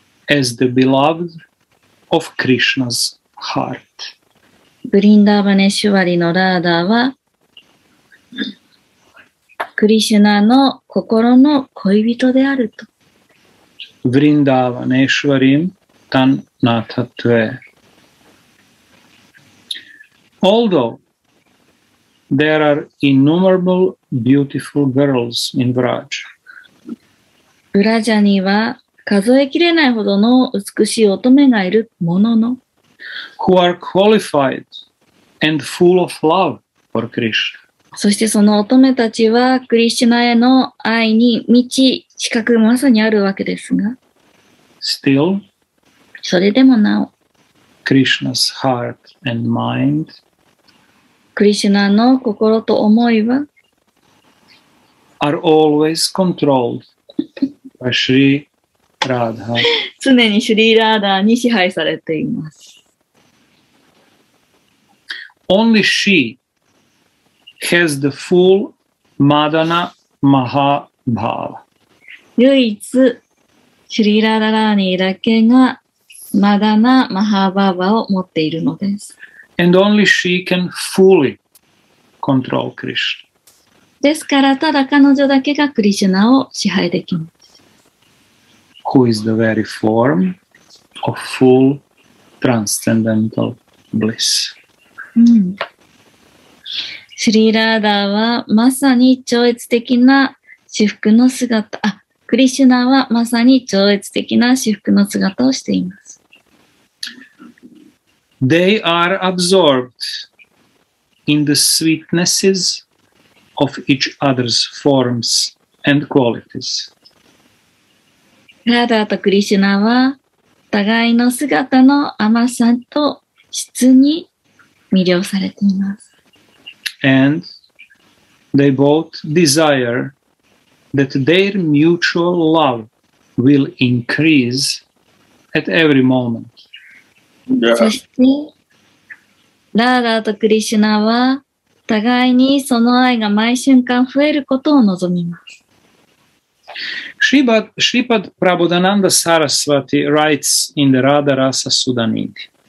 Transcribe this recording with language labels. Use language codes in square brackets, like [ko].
[en] As the beloved of Krishna's heart. [ja] ブリンダーバネシュワリのラーダはクリシュナの心の恋人であると。 [sa] ブリンダーバネシュワリンタンナタトゥエ。 [en] Although,There are innumerable beautiful girls in Vraj. [ja] ブラジャには数えきれないほどの美しい乙女がいるものの [en] Who are qualified and full of love for Krishna. [ja] そしてその乙女たちはクリシュナへの愛に満ち資格まさにあるわけですが [en] Still, [ja] それでもなお [en] Krishna's heart and mind [ja] クリシュナの心と思いは [en] are always controlled by Shri Radha. [ja] 常にシュリーラーダーに支配されています。 [en] Only she has the full Madana Mahabhava. [ja] 唯一シュリーラーダーラーニーだけがマダナ・マハバーバを持っているのです。 [en] And only she can fully control Krishna. [ja] ですから、ただ彼女だけがクリシュナを支配できます。 [en] Who is the very form of full transcendental bliss? [ja] シリラーダーはまさに超越的な至福の姿。クリシュナはまさに超越的な至福の姿をしています。 [en] They are absorbed in the sweetnesses of each other's forms and qualities. [ja] ラーダーとクリシュナは互いの姿の甘さと質に魅了されています。 [en] And they both desire that their mutual love will increase at every moment. [ja] そして、ラーダーとクリシュナは、互いにその愛が毎瞬間増えることを望みます。 [en] Shripad Prabodhananda Sarasvati writes in the Radha Rasa Sudha Nidhi.